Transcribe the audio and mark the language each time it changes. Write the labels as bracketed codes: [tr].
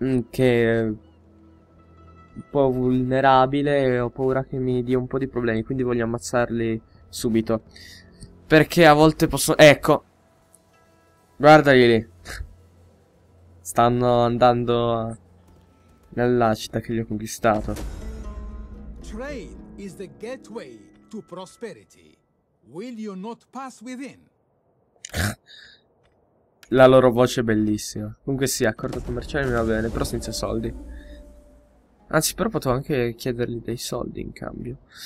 [it] che è un po' vulnerabile e ho paura che mi dia un po' di problemi, quindi voglio ammazzarli subito. Perché a volte posso... Ecco! Guardali lì! Stanno andando nella città che gli ho conquistato. [en] Trade is the gateway to prosperity. Will you not pass within? [it] La loro voce è bellissima. Comunque sì, accordo commerciale mi va bene, però senza soldi. Anzi, però potevo anche chiedergli dei soldi in cambio.